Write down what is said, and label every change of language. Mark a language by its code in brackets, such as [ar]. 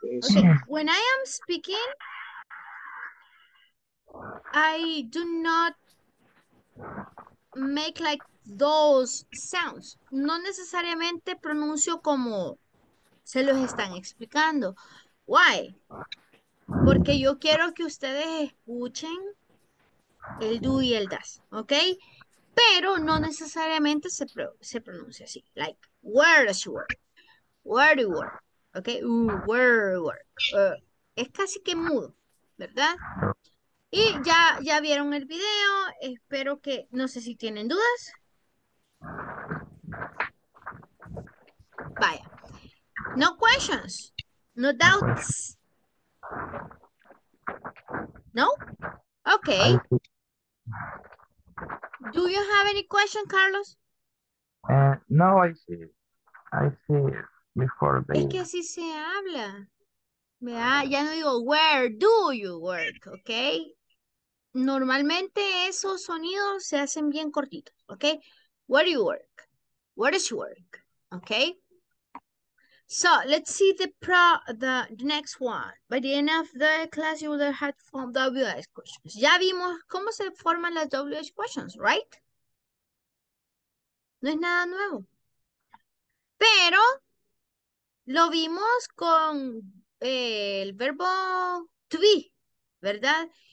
[en] Okay, when I am speaking, I do not make like those sounds. [es] No necesariamente pronuncio como se los están explicando. [en] Why? [es] Porque yo quiero que ustedes escuchen el do y el does, ¿ok? Pero no necesariamente se pronuncia así. [en] Like, where does you work? Where do you work? ¿Ok? Where do you work? [es] Es casi que mudo, ¿verdad? Y ya vieron el video, espero que, no sé si tienen dudas. [en] Vaya, no questions, no doubts. No? Okay. Do you have any question, Carlos? No, I see before the... [es] Es que así se habla. ¿Verdad? Ya no digo, [en] where do you work, okay? [es] Normalmente esos sonidos se hacen bien cortitos, ¿ok? [en] Where do you work? Where does you work? ¿Ok? So, let's see the next one. By the end of the class, you will have formed WH questions. [es] Ya vimos cómo se forman las WH questions, ¿right? No es nada nuevo. Pero, lo vimos con el verbo to be, ¿verdad?